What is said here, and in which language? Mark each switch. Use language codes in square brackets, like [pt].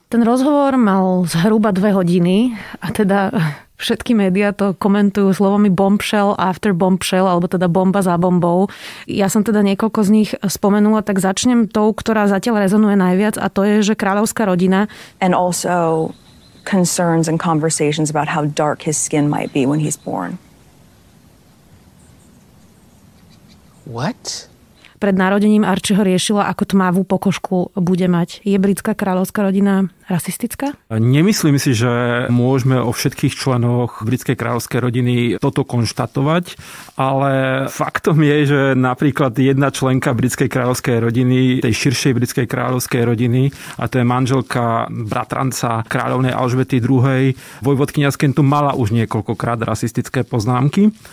[sk] Ten rozhovor mal zhruba 2 hodiny a teda všetky médiá to komentujú slovami [en] bombshell after bombshell, [sk] alebo teda bomba za bombou. Ja som teda niekoľko z nich spomenula, tak začnem tou, ktorá zatiaľ rezonuje najviac, a to je, že kráľovská rodina [en] and also concerns and conversations about how dark his skin might be when he's born. What? [sk] Pred narodením Archieho riešila, ako tmavú pokožku bude mať. Je britská kráľovská rodina rasistická? Nemyslím si, že môžeme o všetkých členoch britskej kráľovskej rodiny toto konštatovať, ale faktom je, že napríklad jedna členka britskej kráľovskej rodiny, tej širšej britskej kráľovskej rodiny, a to je manželka bratranca kráľovnej Alžbety II, vojvodkynia z Kentu, mala už niekoľkokrát rasistické poznámky,